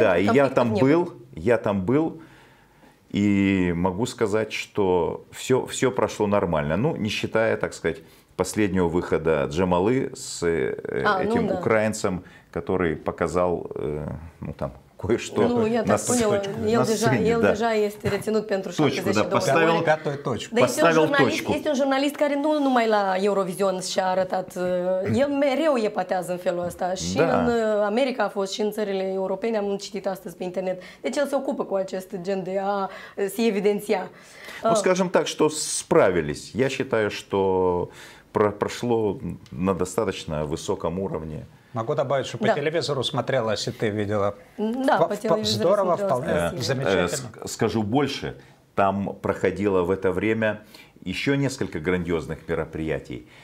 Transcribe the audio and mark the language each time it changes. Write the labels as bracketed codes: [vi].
[ru] да, и я там был, и могу сказать, что все прошло нормально. Ну, не считая, так сказать, последнего выхода Джамалы с этим украинцем, который показал, кое-что. Ну, я так поняла. Елдежа есть ретинут pentru [ro] șapte zeci. [ru] Поставил точку. Поставил точку. [ro] Este un jurnalist care nu numai la Eurovision și-a arătat. El mereu epatează în felul ăsta. Și în America a fost, și în țările europene. Am citit astăzi pe internet. Deci el se ocupă cu acest gen de a se evidenția. [ru] Ну, скажем так, что справились. Я считаю, что прошло на достаточно высоком уровне. Могу добавить, что по телевизору смотрелось, и ты видела. Да, по телевизору. Здорово, вполне замечательно. Скажу больше. Там проходило в это время еще несколько грандиозных мероприятий.